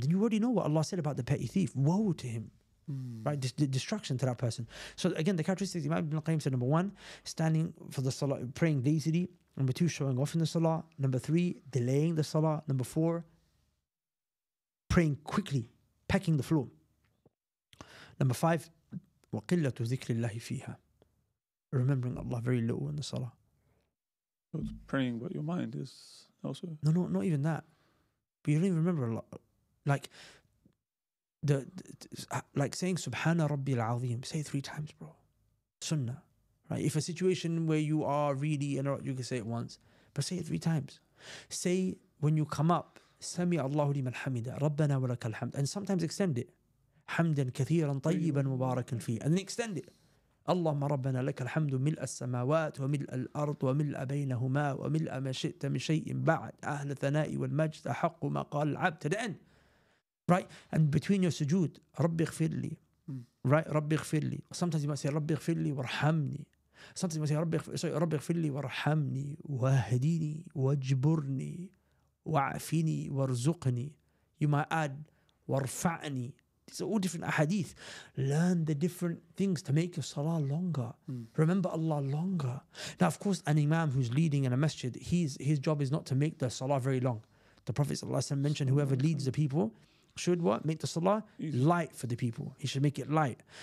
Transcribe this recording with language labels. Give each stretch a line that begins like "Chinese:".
English: Then you already know what Allah said about the petty thief. Woe to him. Right, destruction to that person. So again, the characteristics, Imam Ibn Qayyim said, number one, standing for the salah, praying lazily. Number two, showing off in the salah. Number three, delaying the salah. Number four, praying quickly, pecking the floor. Number five,
Arabic: وَقِلَّةُ ذِكْرِ اللَّهِ فِيهَا.
English: Remembering Allah very little in the salah. It's praying, but your mind is also... No, not even that. But you don't even remember a lot. Like, like saying Subhana Rabbi al-Azim, say 3 times, bro. Sunnah. Right? If a situation where you are really, you can say it once, but say it 3 times. Say when you come up, Sami Allahu liman hamida, Rabbana wa lakal hamd, and sometimes extend it. Hamdan kathiran tayyiban mubarakan fi, and then extend it.
Arabic: اللهم ربنا لك الحمد ملء السماوات وملء الأرض وملء بينهما وملء ما شئت من شيء بعد أهل الثناء والمجد أحق ما قال العبد.
English: To the end, right? And between your sujood,
Arabic: ربي اغفر لي,
English: right?
Arabic: ربي اغفر لي.
English: Sometimes you might say
Arabic: ربي اغفر لي وارحمني.
English: Sometimes you might say
Arabic: ربي اغفر لي وارحمني واهديني واجبرني واعفني وارزقني.
English: You might add وارفعني. These are all different ahadith. Learn the different things to make your salah longer. Remember Allah longer. Now, of course, an imam who's leading in a masjid, his job is not to make the salah very long. The Prophet ﷺ mentioned whoever leads the people should what? Make the salah light for the people. He should make it light.